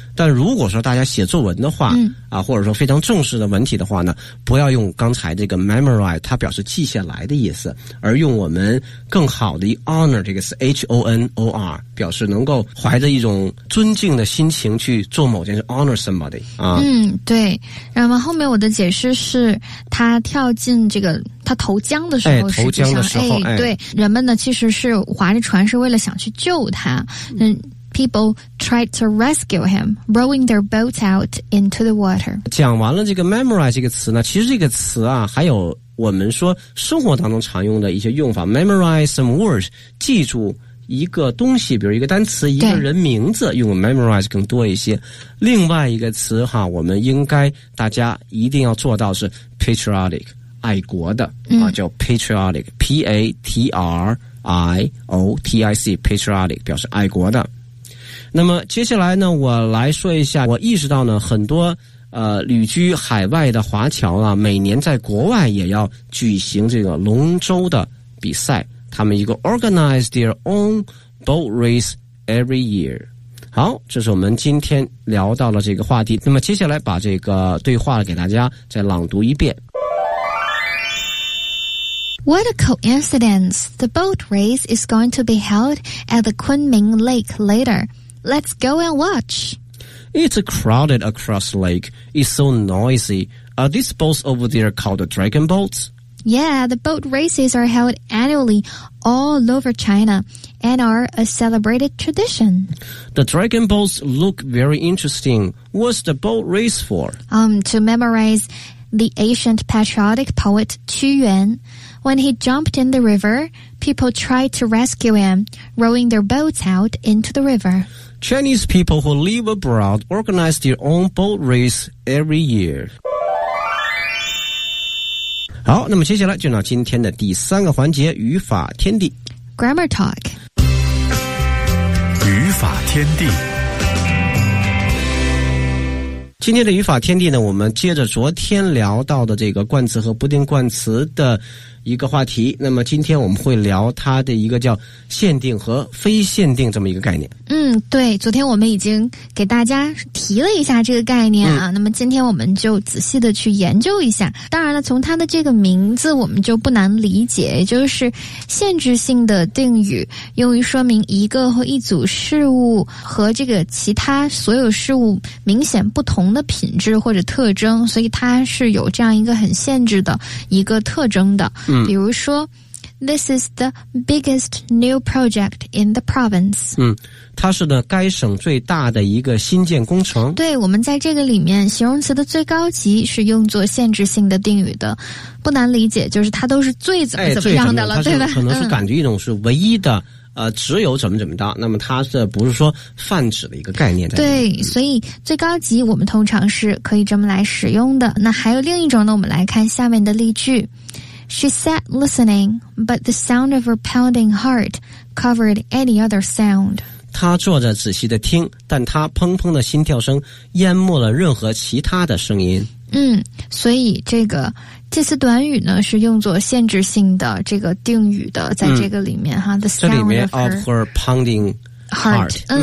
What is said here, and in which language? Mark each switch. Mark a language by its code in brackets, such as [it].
[zh] 但如果说大家写作文的话，或者说非常正式的文体的话呢，不要用刚才这个 memorize， 它表示记下来的意思，而用我们更好的 honor 这个词 honor， 表示能够怀着一种尊敬的心情。去做某件事 ， [en] honor somebody [zh] 啊。嗯，对。然后后面我的解释是，他跳进这个他投江的时候，哎，投江的时候，哎，对，人们呢其实是划着船是为了想去救他。 [en] People tried to rescue him, rowing their boats out into the water。 [zh] 讲完了这个 memorize 这个词呢，其实这个词啊，还有我们说生活当中常用的一些用法 ， [en] memorize some words， [zh] 记住。一个东西，比如一个单词，一个人名字，用 memorize 更多一些。另外一个词哈，我们应该大家一定要做到是 patriotic， 爱国的啊，叫 patriotic，P-A-T-R-I-O-T-I-C， patriotic 表示爱国的。那么接下来呢，我来说一下，我意识到呢，很多旅居海外的华侨啊，每年在国外也要举行这个龙舟的比赛。他们一个 [en] organize their own boat race every year。 [zh] 好，这是我们今天聊到了这个话题，那么接下来把这个对话给大家再朗读一遍。 [en] What a coincidence. The boat race is going to be held at the Kunming Lake later. Let's go and watch. It's crowded across the lake. It's so noisy. Are these boats over there called the dragon boats? Yeah, the boat races are held annually all over China and are a celebrated tradition. The dragon boats look very interesting. What's the boat race for? To memorize the ancient patriotic poet 屈原. When he jumped in the river, people tried to rescue him, rowing their boats out into the river. Chinese people who live abroad organize their own boat race every year. [zh] 好，那么接下来就到今天的第三个环节，语法天地 [en] Grammar Talk。 [zh] 语法天地，今天的语法天地呢，我们接着昨天聊到的这个冠词和不定冠词的一个话题。那么今天我们会聊它的一个叫限定和非限定这么一个概念。嗯，对，昨天我们已经给大家提了一下这个概念啊，那么今天我们就仔细的去研究一下。当然了，从它的这个名字我们就不难理解，就是限制性的定语，用于说明一个或一组事物和这个其他所有事物明显不同的品质或者特征，所以它是有这样一个很限制的一个特征的。比如说 [en] This is the biggest new project in the province. [zh] 它是呢该省最大的一个新建工程。对，我们在这个里面形容词的最高级是用作限制性的定语的，不难理解，就是它都是最怎么怎么样的了，对吧？可能是感觉一种是唯一的，只有怎么怎么的，那么它是不是说泛指的一个概念在？对，所以最高级我们通常是可以这么来使用的。那还有另一种呢，我们来看下面的例句。 [en] She sat listening, but the sound of her pounding heart covered any other sound. [zh] 她坐着仔细地听，但她砰砰的心跳声淹没了任何其他的声音。嗯，所以这个介词短语呢是用作限制性的这个定语的，在这个里面哈。 [en] The sound [zh] 这里面 [en] of her pounding heart,